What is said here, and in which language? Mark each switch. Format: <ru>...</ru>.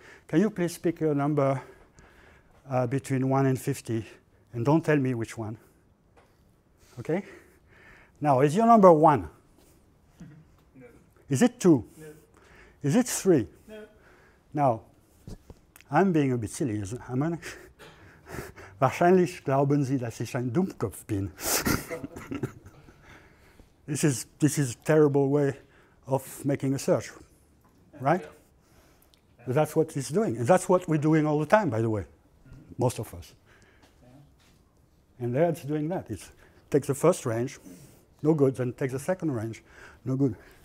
<en>Can you please pick a number between 1 and 50? And don't tell me which one. OK? Now, is your number 1? No. Is it 2? No. Is it 3? No. Now, I'm being a bit silly, isn't I?</en> <de>Wahrscheinlich glauben Sie, dass ich ein Dummkopf bin.</de> <en>This is a terrible way of making a search, right? Yeah. But that's what it's doing. And that's what we're doing all the time, by the way, most of us. Yeah. And there it's doing that. It takes the first range, no good, then takes the second range, no good.</en>